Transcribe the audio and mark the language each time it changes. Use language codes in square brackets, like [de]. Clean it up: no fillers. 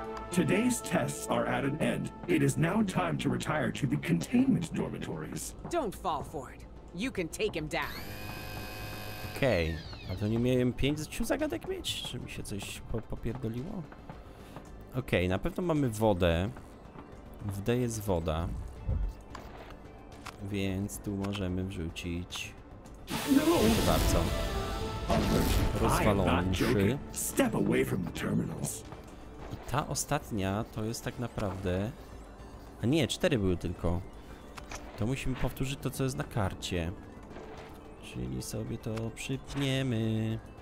[en] Today's tests are at an end. It is now time to retire to the containment dormitories. Don't fall for it. You can take him down. Okay. [pl] A to nie miałem 5 zagadek mieć? Czy mi się coś popierdoliło? Okej, okay, na pewno mamy wodę. W D jest woda. Więc tu możemy wrzucić... No! Proszę bardzo. Rozwalony. [en] Step away from the terminals. [pl] I ta ostatnia to jest tak naprawdę... A nie, 4 były tylko. To musimy powtórzyć to, co jest na karcie. Czyli sobie to przypniemy.